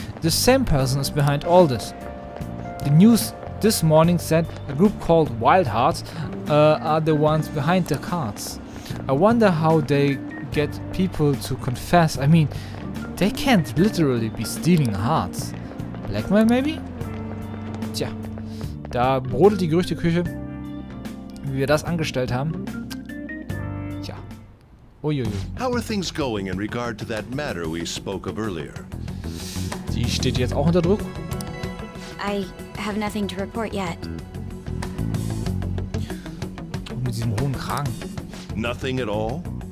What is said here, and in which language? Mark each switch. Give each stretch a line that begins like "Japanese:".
English: The same person is behind all this. The news this morning said a group called Wild Hearts are the ones behind the cards. I wonder how they get people to confess. I mean, they can't literally be stealing hearts. Blackmail maybe?
German: Tja, da brodelt die Gerüchteküche, wie wir das angestellt haben. Tja. Uiuiui.
English: How are things going in regard to that matter we spoke of earlier?
German: Die steht jetzt auch unter Druck.
English: I have nothing to report yet.
German: Diesem hohen Kragen.
English: Nothing at all?